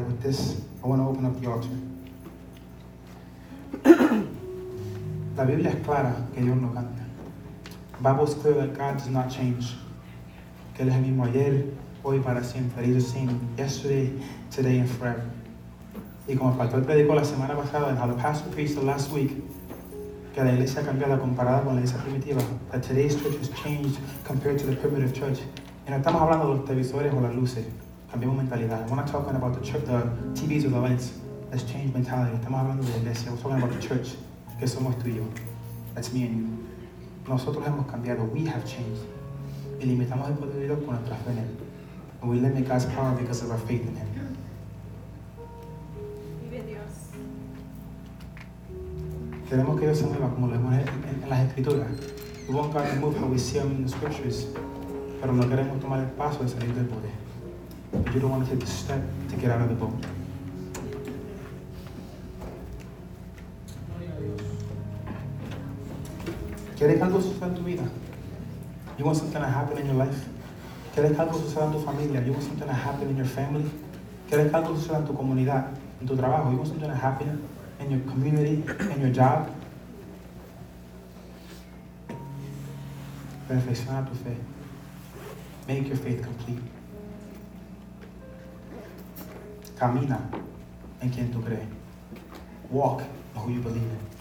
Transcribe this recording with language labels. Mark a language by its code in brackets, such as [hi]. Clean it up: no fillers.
[en] With this, I want to open up the altar. [es] La Biblia es clara que Dios no cambia. [en] The Bible is clear that God does not change. [es] Que Él es el mismo ayer, hoy para siempre. [en] He's the same yesterday, today and forever. [es] Y como el pastor predicó la semana pasada, [en] and how the pastor preached the last week, [es] que la iglesia ha cambiado comparada con la iglesia primitiva, [en] that today's church has changed compared to the primitive church. [es] Y no estamos hablando de los televisores o las luces. Cambiamos mentalidad. [en] We're not talking about the TVs or the lights. Let's change mentality. [es] Estamos hablando de la iglesia. [en] We're talking about the church, [es] que somos tú y yo. [en] That's me and you. [es] Nosotros hemos cambiado. [en] We have changed. [es] Y limitamos el poder de Dios con nuestra fe en Él. [en] And we limit God's power because of our faith in Him. [es] Queremos que Dios se mueva como lo vemos en las escrituras. [en] We want God to move how we see Him in the scriptures. [es] Pero no queremos tomar el paso de salir del poder. [en] But you don't want to take the step to get out of the boat. [es] ¿Quieres que algo suceda en tu vida? [en] You want something to happen in your life? [es] ¿Quieres que algo suceda en tu familia? [en] You want something to happen in your family? [es] ¿Quieres que algo suceda en tu comunidad, en tu trabajo? [en] You want something to happen in your community, in your job. [es] Perfecciona tu fe. [en] Make your faith complete. [es] Camina en quien tú crees. [en] Walk in who you believe in.